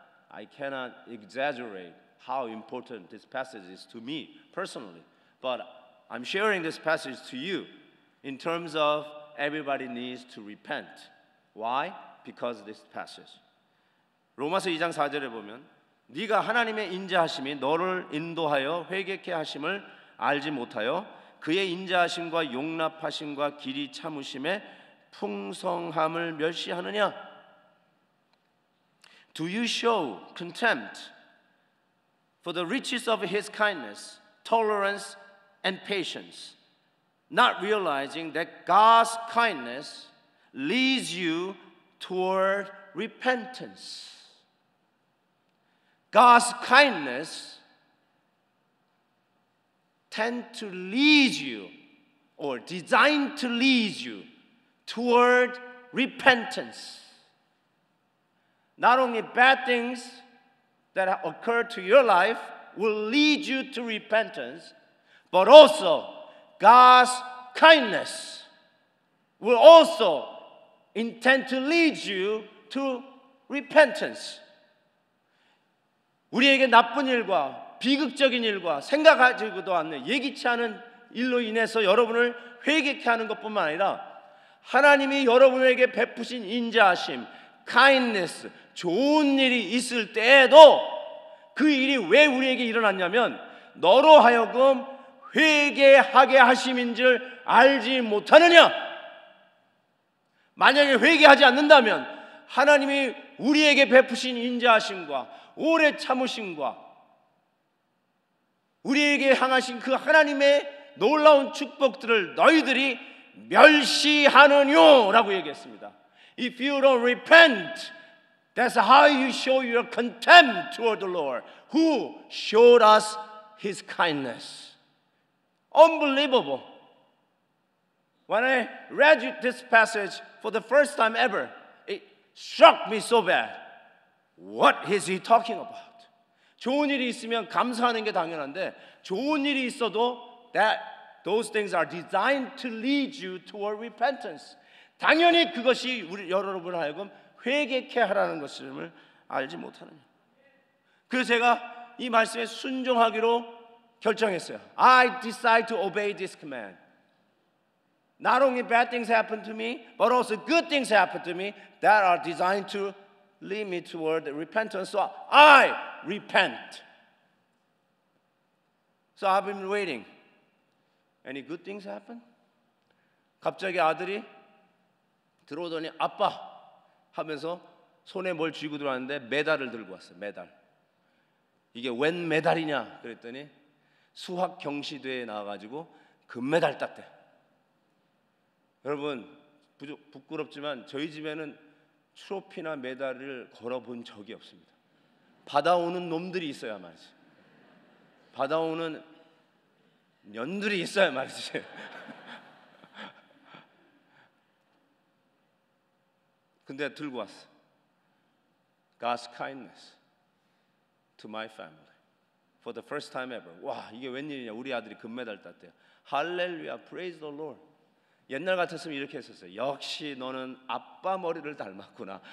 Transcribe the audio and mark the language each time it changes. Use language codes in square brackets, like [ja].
[en] I cannot exaggerate how important this passage is to me personally. But I'm sharing this passage to you in terms of everybody needs to repent. Why? Because of this passage. [ko] 로마서 2장 4절에 보면 네가 하나님의 인자하심이 너를 인도하여 회개케 하심을 알지 못하여 그의 인자하심과 용납하심과 길이 참으심에 풍성함을 멸시하느냐? [en] Do you show contempt for the riches of his kindness, tolerance, and patience, not realizing that God's kindness leads you toward repentance? God's kindness tends to lead you, or designed to lead you, toward repentance. Not only bad things that occur to your life will lead you to repentance, but also God's kindness will also intend to lead you to repentance. [ko] 우리에게 나쁜 일과 비극적인 일과 생각하지도 않는 예기치 않은 일로 인해서 여러분을 회개케 하는 것뿐만 아니라 하나님이 여러분에게 베푸신 인자하심, kindness, 좋은 일이 있을 때에도 그 일이 왜 우리에게 일어났냐면 너로 하여금 회개하게 하심인 줄 알지 못하느냐? 만약에 회개하지 않는다면 하나님이 우리에게 베푸신 인자하심과 오래 참으심과 우리에게 향하신 그 하나님의 놀라운 축복들을 너희들이 멸시하느뇨 라고 얘기했습니다. [en] If you don't repent, that's how you show your contempt toward the Lord who showed us his kindness. Unbelievable. When I read this passage for the first time ever, it struck me so bad. What is he talking about? [ko] 좋은 일이 있으면 감사하는 게 당연한데 좋은 일이 있어도 [en] that those things are designed to lead you toward repentance. [ko] 당연히 그것이 우리 여러분을 하여금 회개케 하라는 것임을 알지 못하는 그래서 제가 이 말씀에 순종하기로 결정했어요. [en] I decide to obey this command. Not only bad things happen to me, but also good things happen to me that are designed to lead me toward repentance. So I repent. So I've been waiting. Any good things happen? [ko] 갑자기 아들이 들어오더니 아빠 하면서 손에 뭘 쥐고 들어왔는데 메달을 들고 왔어요. 메달. 이게 웬 메달이냐 그랬더니 수학 경시대회에 나와가지고 금메달 땄대. 여러분 부끄럽지만 저희 집에는 트로피나 메달을 걸어본 적이 없습니다. 받아오는 놈들이 있어야 말이지. 받아오는 년들이 있어야 말이지. 근데 들고 왔어. [en] God's kindness to my family for the first time ever. [ko] 와 이게 웬일이냐? 우리 아들이 금메달 땄대요. [en] Hallelujah, praise the Lord. [ko] 옛날 같았으면 이렇게 했었어요. 역시 너는 아빠 머리를 닮았구나.